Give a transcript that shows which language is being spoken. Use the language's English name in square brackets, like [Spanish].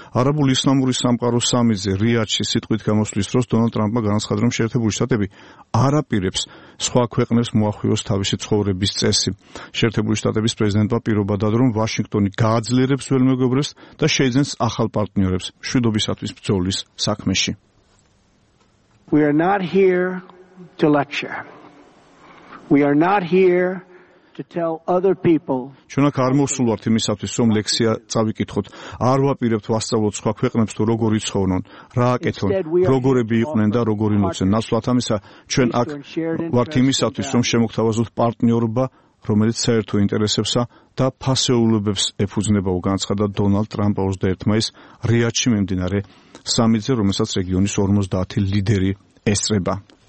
[Georgian] არაბულ ისლამური სამყარო სამიზე რიადში სიტყვით გამოსვლის დროს დონალდ ტრამპმა განაცხადა, რომ შეერთებული შტატები არ აპირებს სხვა ქვეყნებს მოახვიოს თავისი ცხოვრების წესი. შეერთებული შტატების პრეზიდენტმა პირობა დადო, რომ ვაშინგტონი გააძლიერებს ველმეგობრებს და შეიძენს ახალ პარტნიორებს მშვიდობისათვის ბრძოლის საქმეში. [English] We are not here to lecture. We are not here to tell other people. [Georgian] ჩვენ აქ არ მოსულვართ იმისათვის, რომ ლექცია წავიკითხოთ. არ ვაპირებთ ვასწავლოთ სხვა ქვეყნებს, თუ როგორ იცხოვრონ, რა აკეთონ, როგორები იყვნენ და როგორი მოცენ. ნაცვლად ამისა, ჩვენ აქ ვართ იმისათვის, რომ შემოგთავაზოთ პარტნიორობა, რომელიც საერთო ინტერესებსა და ფასეულობებს ეფუძნება, განაცხადა დონალდ ტრამპ 21 მაისს რიადში მიმდინარე სამიზე, რომელსაც რეგიონის 50 ლიდერი ესწრება.